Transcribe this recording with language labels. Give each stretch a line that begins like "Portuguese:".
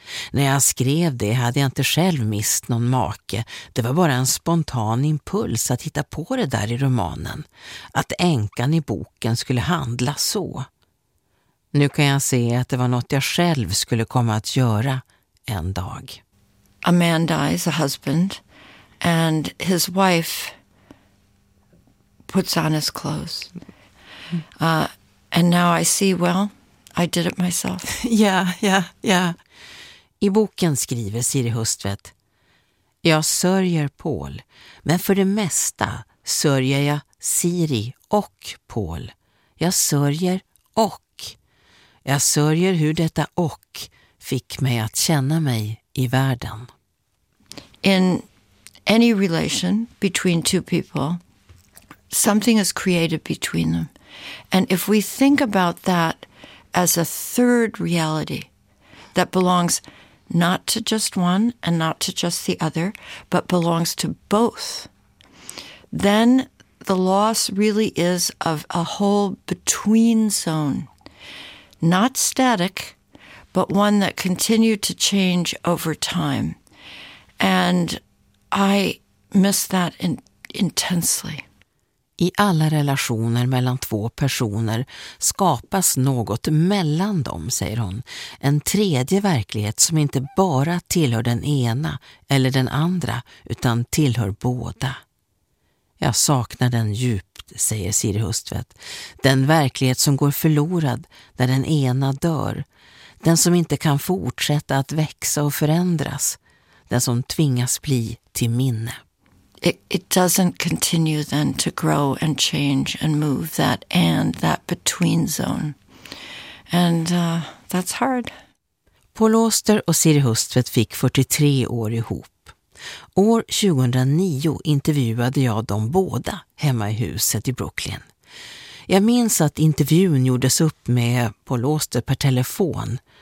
Swedish: När jag skrev det hade jag inte själv mist någon make. Det var bara en spontan impuls att hitta på det där i romanen. Att änkan i boken skulle handla så. Nu kan jag se att det var något jag själv skulle komma att göra en dag.
English: A man dies, a husband, and his wife puts on his clothes. And now I see, well, I did it myself. Yeah.
Swedish: I boken skriver Siri Hustvedt, jag sörjer Paul, men för det mesta sörjer jag Siri och Paul. Jag sörjer och. Jag sörjer hur detta och fick mig att känna mig i världen.
English: In any relation between two people, something is created between them. And if we think about that as a third reality that belongs not to just one and not to just the other, but belongs to both, then the loss really is of a whole between zone. Not static, but one that continued to change over time. And I miss that intensely.
Swedish: I alla relationer mellan två personer skapas något mellan dem, säger hon. En tredje verklighet som inte bara tillhör den ena eller den andra, utan tillhör båda. Jag saknar den djupt, säger Siri Hustvedt. Den verklighet som går förlorad när den ena dör. Den som inte kan fortsätta att växa och förändras. Den som tvingas bli till minne.
English: It doesn't continue then to grow and change and move that and that between zone. And that's hard.
Swedish: Paul Auster och Siri Hustvedt fick 43 år ihop. År 2009 intervjuade jag dem båda hemma i huset i Brooklyn. Jag minns att intervjun gjordes upp med Paul Auster per telefon.